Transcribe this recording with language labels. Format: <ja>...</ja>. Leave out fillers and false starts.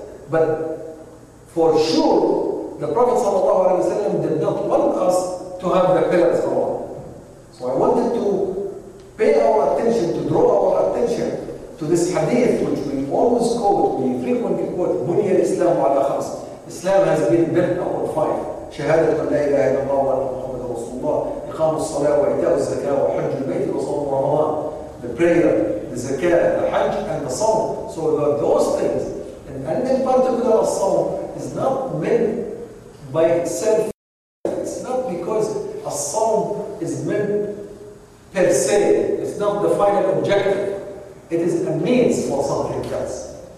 <en>But for sure, the Prophet Sallallahu Alaihi Wasallam did not want us to have the pillars alone. So I wanted to pay our attention, to draw our attention to this hadith, which we always quote, we frequently quote, "Buniya Islam ala Khas." Islam has been built upon five.</en> <ar>شهادة أن لا إله إلا الله وأن محمد رسول الله إقام الصلاة وإيتاء الزكاة وحج البيت وصوم رمضان.</ar> <en>The prayer, the zakah, the hajj, and the salm. So those things, and in particular the salm, is not meant by itself. It's not because a salm is meant per se. It's not the final objective. It is a means for something else.</en>